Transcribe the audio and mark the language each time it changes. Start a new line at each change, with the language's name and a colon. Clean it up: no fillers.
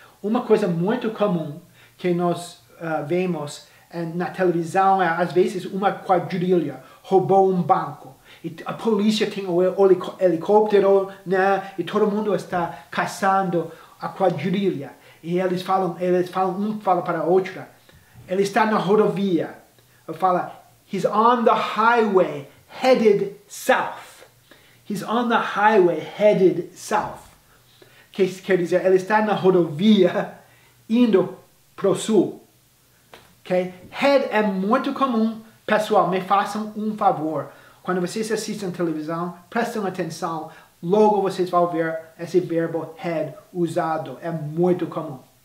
Portuguese: Uma coisa muito comum que nós vemos na televisão é, às vezes, uma quadrilha roubou um banco. E a polícia tem o helicóptero, né? E todo mundo está caçando a quadrilha. E eles falam, um fala para a outra. Ele está na rodovia. Eu falo,
English: he's on the highway headed south. He's on the highway headed south.
Portuguese: Que quer dizer, ele está na rodovia indo pro sul. Okay? Head é muito comum. Pessoal, me façam um favor. Quando vocês assistem televisão, prestem atenção. Logo vocês vão ver esse verbo head usado. É muito comum.